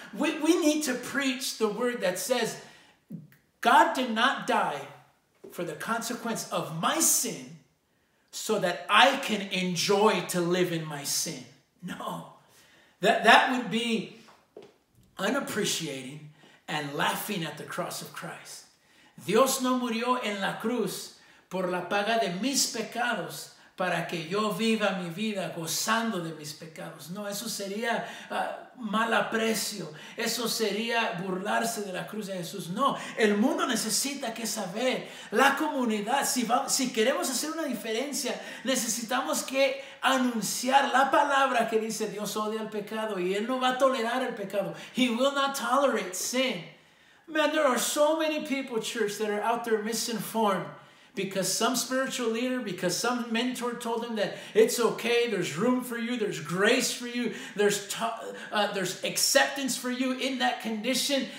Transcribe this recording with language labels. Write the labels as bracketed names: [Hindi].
[English] We need to preach the word that says God did not die for the consequence of my sin so that I can enjoy to live in my sin. No. That would be unappreciating and laughing at the cross of Christ. [Spanish] Dios no murió en la cruz por la paga de mis pecados para que yo viva mi vida gozando de mis pecados. No, eso sería mal aprecio. Eso sería burlarse de la cruz de Jesús. No, el mundo necesita que saber. La comunidad, si queremos hacer una diferencia, necesitamos que anunciar la palabra que dice Dios odia el pecado y él no va a tolerar el pecado. [English] He will not tolerate sin. Man, there are so many people, church, that are out there misinformed because some spiritual leader, because some mentor told him that it's okay, there's room for you, there's grace for you, there's acceptance for you in that condition.